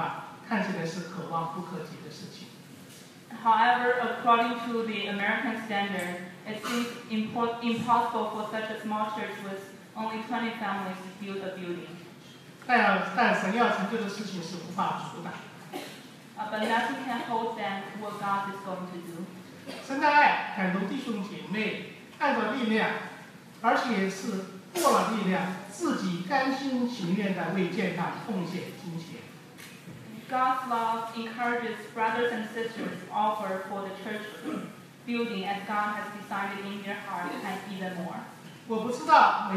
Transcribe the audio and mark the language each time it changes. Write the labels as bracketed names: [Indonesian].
[Chinese] 但是对于只有二十来个固定家庭的这样的小教会，要按照美国人的标准建这样的一个大的教堂啊，看起来是可望不可及的事情。 [English] However, according to the American standard, it seems impossible for such a small church with only 20 families build a building. [Chinese] 但神要成就的事情是无法阻挡。 [English] But nothing can hold them what God is going to do. [Chinese] 神的爱感动弟兄姐妹，按照力量，而且是过了力量，自己甘心情愿地为健康奉献金钱。 [English] God's love encourages brothers and sisters to offer for the church building as God has decided in their heart and even more.